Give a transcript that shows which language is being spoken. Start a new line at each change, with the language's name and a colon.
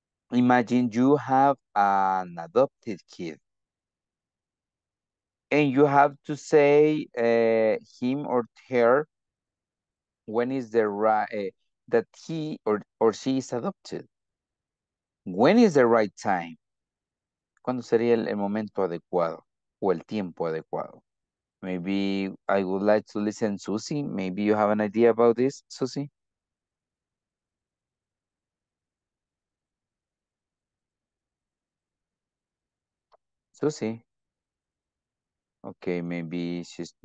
English: Imagine you have an adopted kid. And you have to say him or her when is the right that he or she is adopted. When is the right time?
Spanish: ¿Cuándo sería el momento adecuado o el tiempo adecuado?
English: Maybe I would like to listen to Susie. Maybe you have an idea about this, Susie. Susie. Okay, maybe she's...